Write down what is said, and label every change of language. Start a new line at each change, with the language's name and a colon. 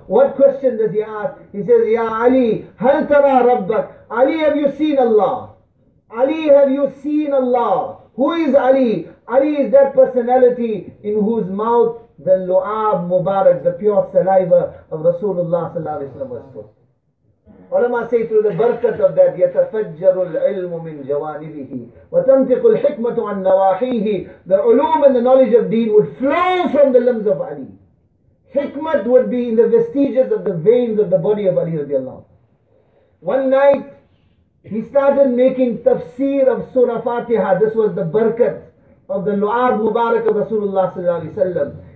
English: What question does he ask? He says,
Arabic: Ya Ali, hal tara rabbak?
English: Ali, have you seen Allah? Ali, have you seen Allah? Who is Ali? Ali is that personality in whose mouth the lu'ab mubarak, the pure saliva of Rasulullah sallallahu alayhi wa sallam was put. Ulama say through the barakat of that,
Arabic: يَتَفَجَّرُ الْعِلْمُ مِنْ جَوَانِبِهِ وَتَنْتِقُ الْحِكْمَةُ عَنْ نَوَاحِيهِ.
English: The ulum and the knowledge of deen would flow from the limbs of Ali. Hikmat would be in the vestiges of the veins of the body of Ali radiallahu. One night, he started making tafsir of Surah Fatiha. This was the barakat of the lu'ab mubarak of Rasulullah sallallahu alayhi wa sallam.